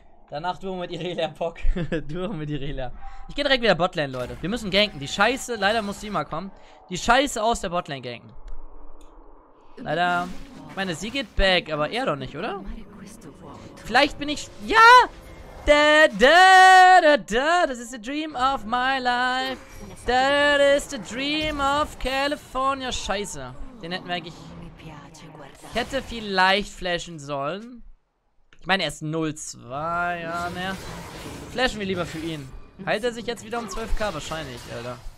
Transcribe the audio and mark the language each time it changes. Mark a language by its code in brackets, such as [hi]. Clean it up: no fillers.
[de] Danach durch mit Irelia, Pock. Durch mit Irelia. Ich gehe direkt wieder Botlane, Leute. Wir müssen ganken. Die Scheiße, leider muss sie mal kommen. Die Scheiße aus der Botlane ganken. Leider. Ich meine, sie geht back, aber er doch nicht, oder? Vielleicht bin ich... Ja! Das ist [en] the dream of my life. That is the dream of California. [de] Scheiße. Den hätten wir eigentlich... Ich hätte vielleicht flashen sollen. Ich meine, er ist 0-2, ja, ne. Flashen wir lieber für ihn. Heilt er sich jetzt wieder um 12k? Wahrscheinlich, Alter.